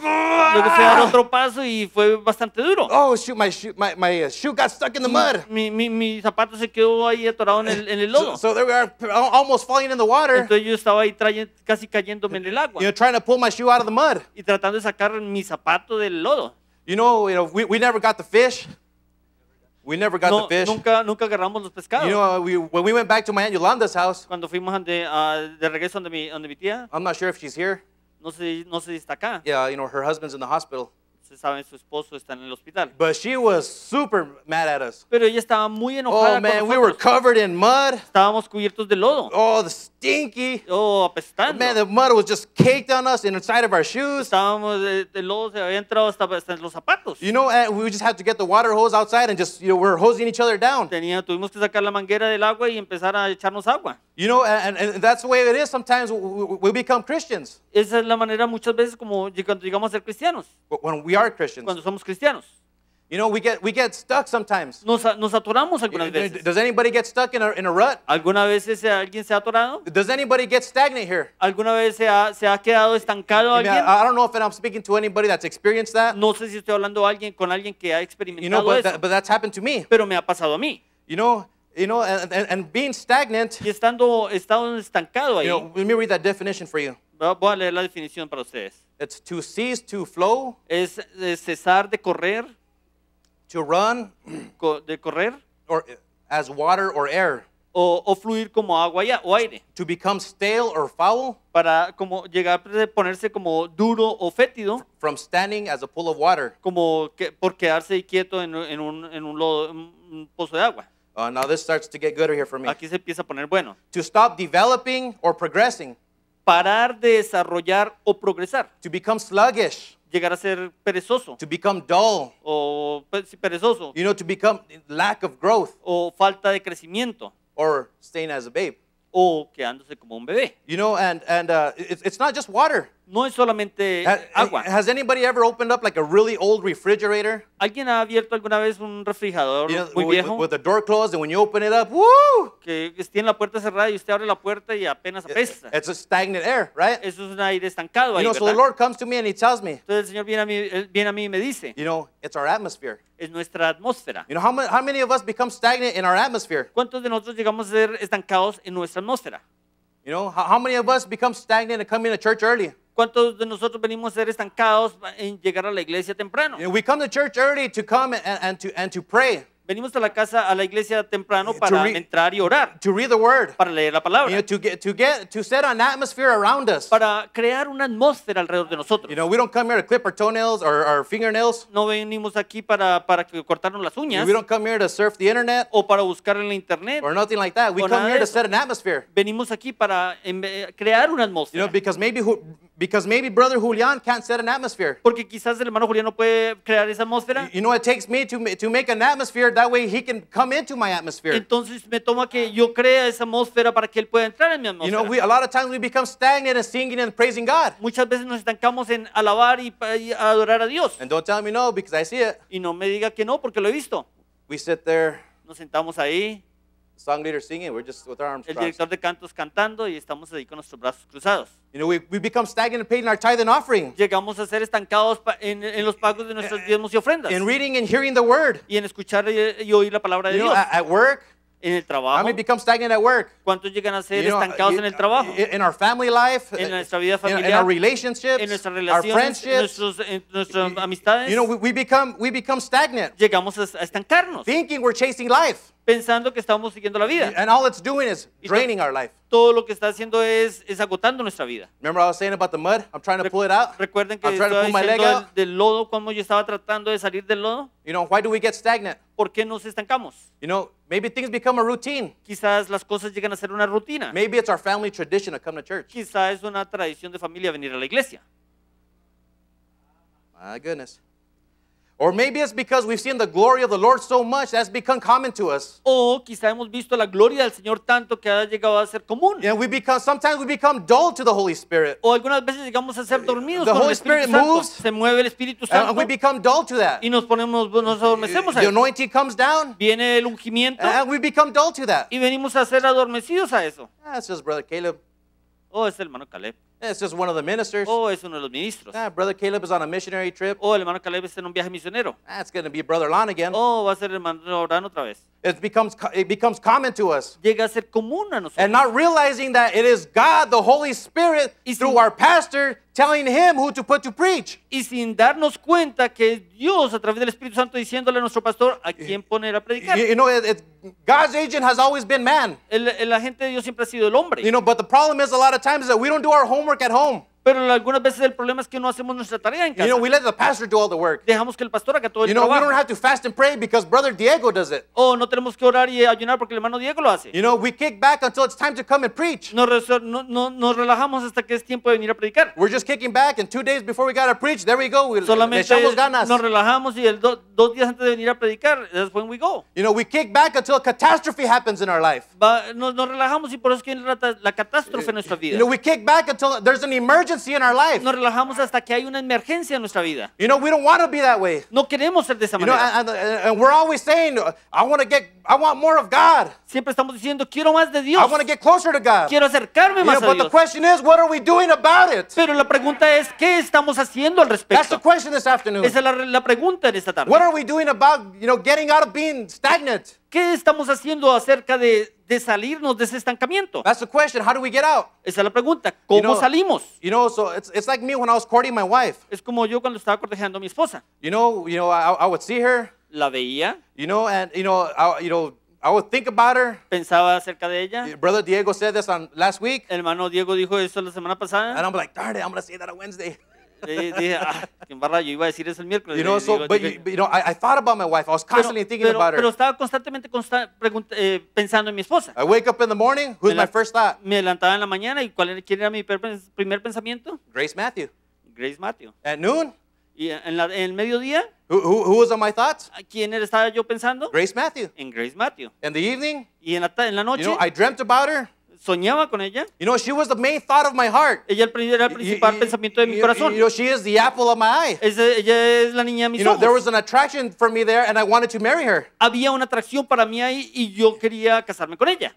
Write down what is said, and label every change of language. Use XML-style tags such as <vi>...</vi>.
<es>Luego fui a dar otro paso y fue bastante duro.</es> <en>Oh shoot, my shoe got stuck in the mud.</en> <es>Mi zapato se quedó ahí atorado en el lodo.</es> <en>So there we are, almost falling in the water.</en> <es>Entonces yo estaba ahí casi cayéndome en el agua.</es> <en>You know, trying to pull my shoe out of the mud.</en> <es>Y tratando de sacar mi zapato del lodo.</es> <en>You know, we never got the fish. We never got no, the fish.</en> <es>Nunca agarramos los pescados.</es> <en>You know, when we went back to my Aunt Yolanda's house.</en> <es>Cuando fuimos de regreso donde mi tía.</es> <en>I'm not sure if she's here.</en> <es>No sé si está acá.</es> <en>Yeah, you know, her husband's in the hospital.</en> <es>Se sabe, su esposo está en el hospital.</es> <en>But she was super mad at us.</en> <es>Pero ella estaba muy enojada nosotros.</es> <en>Oh, man, we were covered in mud.</en> <es>Estábamos cubiertos de lodo.</es> <en>Oh, the stinky.</en> <es>Oh, apestando.</es> <en>Man, the mud was just caked on us and inside of our shoes.</en> <es>Estábamos de lodo, se había entrado hasta los zapatos.</es> <en>You know, we just had to get the water hose outside and just, you know, we're hosing each other down.</en> <es>Tuvimos que sacar la manguera del agua y empezar a echarnos agua.</es> <en>You know, and that's the way it is sometimes we become Christians.</en> <es>Esa es la manera muchas veces como cuando llegamos a ser cristianos.</es> <en>When we are Christians.</en> <es>Cuando somos cristianos.</es> <en>You know, we get stuck sometimes.</en> <es>Nos atoramos algunas veces.</es> <en>Does anybody get stuck in a rut?</en> <es>¿Alguna vez alguien se ha atorado?</es> <en>Does anybody get stagnant here?</en> <es>¿Alguna vez se ha quedado estancado alguien?</es> <en>I don't know if I'm speaking to anybody that's experienced that.</en> <es>No sé si estoy hablando con alguien que ha experimentado eso.</es> <en>You know, but that's happened to me.</en> <es>Pero me ha pasado a mí.</es> <en>You know, and being stagnant.</en> <es>Y estando estancado ahí.</es> <en>You know, let me read that definition for you.</en> <es>Voy a leer la definición para ustedes.</es> <en>It's to cease to flow.</en> <es>Es cesar de correr.</es> <en>To run.</en> <es>De correr.</es> <en>Or as water or air.</en> <es>O fluir como agua ya, o aire.</es> <en>To become stale or foul.</en> <es>Para como llegar a ponerse como duro o fétido.</es> <en>From standing as a pool of water.</en> <es>Como que por quedarse quieto en un lodo, un pozo de agua.</es> <en>Now this starts to get gooder here for me.</en> <es>Aquí se empieza a poner bueno.</es> <en>To stop developing or progressing.</en> <es>Parar de desarrollar o progresar.</es> <en>To become sluggish.</en> <es>Llegar a ser perezoso.</es> <en>To become dull.</en> <es>O perezoso.</es> <en>You know, to become lack of growth.</en> <es>O falta de crecimiento.</es> <en>Or staying as a babe.</en> <es>O quedándose como un bebé.</es> <en>You know, and it's not just water.</en> <es>No es solamente agua.</es> <en>Has anybody ever opened up like a really old refrigerator?</en> <es>¿Alguien ha abierto alguna vez un refrigerador muy viejo?</es> <en>With the door closed and when you open it up, woo!</en> <es>Que tiene la puerta cerrada y usted abre la puerta y apenas apesta.</es> <en>It's a stagnant air, right?</en> <es>Eso es un aire estancado ahí, ¿verdad?</es> <en>So the Lord comes to me and he tells me.</en> <es>Entonces el Señor viene a mí y me dice.</es> <en>You know, it's our atmosphere.</en> <es>Es nuestra atmósfera.</es> <en>You know, how many of us become stagnant in our atmosphere?</en> <es>¿Cuántos de nosotros llegamos a ser estancados en nuestra atmósfera?</es> <en>You know, how many of us become stagnant and come into church early?</en> <es>¿Cuántos de nosotros venimos a ser estancados en llegar a la iglesia temprano?</es> <en>You know, we come to church early to come and to pray.</en> <es>Venimos a la casa, a la iglesia temprano para entrar y orar.</es> <en>To read the word.</en> <es>Para leer la palabra.</es> <en>You know, to set an atmosphere around us.</en> <es>Para crear una atmósfera alrededor de nosotros.</es> <en>You know, we don't come here to clip our toenails or our fingernails.</en> <es>No venimos aquí para cortarnos las uñas.</es> <en>We don't come here to surf the internet.</en> <es>O para buscar en la internet.</es> <en>Or nothing like that. We come here to set an atmosphere.</en> <es>Venimos aquí para crear una atmósfera.</es> <en>You know, because maybe Brother Julian can't set an atmosphere.</en> <es>Porque quizás el hermano Julián no puede crear esa atmósfera.</es> <en>You know, it takes me to make an atmosphere, that way he can come into my atmosphere.</en> <es>Entonces me toma que yo crea esa atmósfera para que él pueda entrar en mi atmósfera.</es> <en>You know, a lot of times we become stagnant in singing and praising God.</en> <es>Muchas veces nos estancamos en alabar y adorar a Dios.</es> <en>And don't tell me no, because I see it.</en> <es>Y no me diga que no, porque lo he visto.</es> <en>We sit there.</en> <es>Nos sentamos ahí.</es> <en>Song leader singing, we're just with our arms crossed.</en> <es>El director de cantos cantando y estamos ahí con nuestros brazos cruzados.</es> <en>You know, we become stagnant in paying our tithe and offering.</en> <es>Llegamos a ser estancados en los pagos de nuestros diezmos y ofrendas.</es> <en>In reading and hearing the word.</en> <es>Y en escuchar y oír la palabra de Dios.</es> <en>You know, at work.</en> <es>En el trabajo.</es> <en>How many become stagnant at work?</en> <es>¿Cuántos llegan a ser estancados en el trabajo?</es> <en>In our family life.</en> <es>En nuestra vida familiar.</es> <en>In our relationships.</en> <es>En nuestras relaciones.</es> <en>Our friendships.</en> <es>Nuestras amistades.</es> <en>You know, we become stagnant.</en> <es>Llegamos a estancarnos.</es> <en>Thinking we're chasing life.</en> <es>Pensando que estamos siguiendo la vida.</es> <en>And all it's doing is draining our life.</en> <es>Todo lo que está haciendo es agotando nuestra vida.</es> <en>Remember I was saying about the mud? I'm trying to pull it out.</en> <es>Recuerden que estaba diciendo</es> <en>my leg out.</en> <es>Del lodo, cómo yo estaba tratando de salir del lodo.</es> <en>You know, why do we get stagnant?</en> <es>¿Por qué nos estancamos?</es> <en>You know, maybe things become a routine.</en> <es>Quizás las cosas llegan a ser una rutina.</es> <en>Maybe it's our family tradition to come to church.</en> <es>Quizás es una tradición de familia venir a la iglesia.</es> <en>My goodness. Or maybe it's because we've seen the glory of the Lord so much that's become common to us.</en> <es>O quizá hemos visto la gloria del Señor tanto que ha llegado a ser común.</es> <en>And sometimes we become dull to the Holy Spirit.</en> <es>O algunas veces llegamos a ser dormidos.</es> <en>The Holy Spirit moves.</en> <es>Se mueve el Espíritu Santo.</es> <en>And we become dull to that.</en> <es>Y nos adormecemos a eso.</es> <en>The anointing comes down.</en> <es>Viene el ungimiento.</es> <en>And we become dull to that.</en> <es>Y venimos a ser adormecidos a eso.</es> <en>That's just Brother Caleb.</en> <es>Oh, es el hermano Caleb.</es> <en>It's just one of the ministers.</en> <es>Oh, es uno de los ministros.</es> <en>Yeah, Brother Caleb is on a missionary trip.</en> <es>Oh, el hermano Caleb está en un viaje misionero.</es> <en>That's going to be Brother Lon again.</en> <es>Oh, va a ser el hermano Lon otra vez.</es> <en>It becomes common to us.</en> <es>Llega a ser común a nosotros.</es> <en>And not realizing that it is God, the Holy Spirit, through our pastor, telling him who to put to preach.</en> <es>Y sin darnos cuenta que Dios, a través del Espíritu Santo, diciéndole a nuestro pastor a quién poner a predicar.</es> <en>You know, God's agent has always been man.</en> <es>El agente de Dios siempre ha sido el hombre.</es> <en>You know, but the problem is a lot of times that we don't do our homework at home.</en> <es>Pero algunas veces el problema es que no hacemos nuestra tarea en casa.</es> <en>You know, we let the pastor do all the work.</en> <es>Dejamos que el pastor haga todo el</es> <en>You know, we don't have to fast and pray because Brother Diego does it.</en> <es>Oh, no tenemos que orar y ayunar porque el hermano Diego lo hace.</es> <en>You know, we kick back until it's time to come and preach.</en> <es>Nos relajamos hasta que es tiempo de venir a predicar.</es> <en>We're just kicking back and 2 days before we gotta preach, there we go.</en> <es>Solamente le echamos ganas. Nos relajamos y dos días antes de venir a predicar,</es> <en>that's when we go. You know, we kick back until a catastrophe happens in our life.</en> <es>Nos relajamos y por eso que viene la catástrofe en nuestra vida.</es> <en>You know, we kick back until there's an emergency.</en> <es>Nos relajamos hasta que hay una emergencia en nuestra vida.</es> <en>You know, we don't want to be that way.</en> <es>No queremos ser de esa manera.</es> <en>You know, and we're always saying, I want more of God.</en> <es>Siempre estamos diciendo, quiero más de Dios.</es> <en>I want to get closer to God.</en> <es>Quiero acercarme más a Dios.</es> <en>But the question is, what are we doing about it?</en> <es>Pero la pregunta es, ¿qué estamos haciendo al respecto?</es> <en>That's the question this afternoon.</en> <es>Esa es la pregunta de esta tarde.</es> <en>What are we doing about, you know, getting out of being stagnant?</en> <es>¿Qué estamos haciendo acerca de salirnos de ese estancamiento?</es> <en>That's the question. How do we get out?</en> <es>Esa es la pregunta. ¿Cómo salimos?</es> <en>You know, so it's like me when I was courting my wife.</en> <es>Es como yo cuando estaba cortejando a mi esposa.</es> <en>You know, I would see her.</en> <es>La veía.</es> <en>You know, and I would think about her.</en> <es>Pensaba acerca de ella.</es> <en>Brother Diego said this on last week.</en> <es>El hermano Diego dijo eso la semana pasada.</es> <en>And I'm like, darn it, I'm gonna say that on Wednesday.</en> <es>Yo iba a decir eso el miércoles.</es> <en>You know, so, but you know, I thought about my wife. I was constantly thinking about her.</en> <es>Pero estaba constantemente pensando en mi esposa.</es> <en>I wake up in the morning. Who's my first thought?</en> <es>Me levantaba en la mañana y ¿quién era mi primer pensamiento?</es> <en>Grace Matthew.</en> <es>Grace Matthew.</es> <en>At noon.</en> <es>Y en el mediodía.</es> <en>Who was on my thoughts?</en> <es>¿Quién estaba yo pensando?</es> <en>Grace Matthew.</en> <es>En Grace Matthew.</es> <en>In the evening.</en> <es>Y en la noche.</es> <en>You know, I dreamt about her.</en> <es>soñaba con ella.</es> <en>You know, she was the main thought of my heart.</en> <es>Ella era el principal pensamiento de mi corazón.</es> <en>You know, she is the apple of my eye.</en> <es>Ella es la niña de mis ojos.</es> <en>You know, there was an attraction for me there, and I wanted to marry her.</en> <es>Había una atracción para mí ahí, y yo quería casarme con ella.</es>